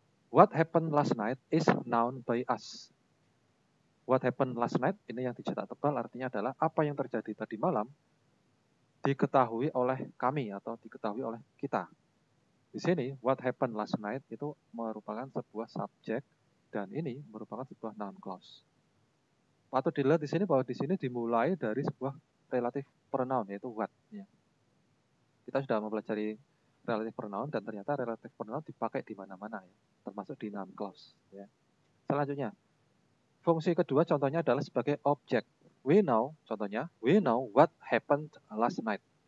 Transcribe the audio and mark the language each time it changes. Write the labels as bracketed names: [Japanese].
[English] What happened last night is noun by us. What happened last night, [Indonesian] ini yang dicetak tebal, artinya adalah apa yang terjadi tadi malam, diketahui oleh kami atau diketahui oleh kita. Di sini, [English] what happened last night [Indonesian] itu merupakan sebuah subjek dan ini merupakan sebuah noun clause. Patut dilihat di sini bahwa di sini dimulai dari sebuah relative pronoun, yaitu what. Kita sudah mempelajari relative pronoun dan ternyata relative pronoun dipakai di mana-mana, ya, termasuk di noun clause. Ya. Selanjutnya, fungsi kedua contohnya adalah sebagai objek. [English] We know, [Indonesian] contohnya, [English] we know what happened last night.